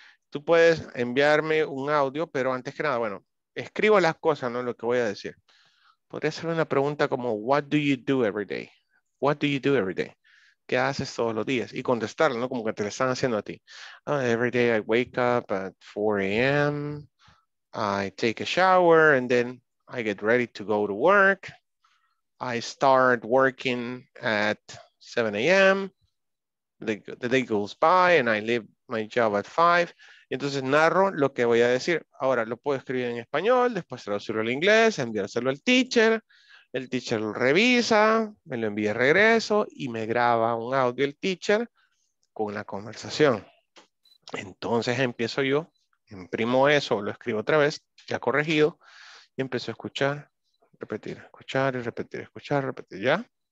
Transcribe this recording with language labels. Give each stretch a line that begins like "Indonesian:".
Spanish: Tú puedes enviarme un audio, pero antes que nada, bueno, escribo las cosas, ¿no? Lo que voy a decir. Podría ser una pregunta como,
English: ¿what do you do every day? ¿What do you do every day?
Spanish: ¿Qué haces todos los días? Y contestarlo, ¿no? Como que te lo están haciendo a ti.
English: Every day I wake up at 4 a.m. I take a shower and then I get ready to go to work. I start working at 7 a.m. The day goes by and I leave my job at 5.
Spanish: Entonces narro lo que voy a decir. Ahora lo puedo escribir en español, después traducirlo al inglés, enviárselo al teacher. El teacher lo revisa, me lo envía de regreso y me graba un audio el teacher con la conversación. Entonces empiezo yo, imprimo eso, lo escribo otra vez, ya corregido, y empiezo a escuchar, repetir, escuchar y repetir, escuchar, repetir, ¿ya?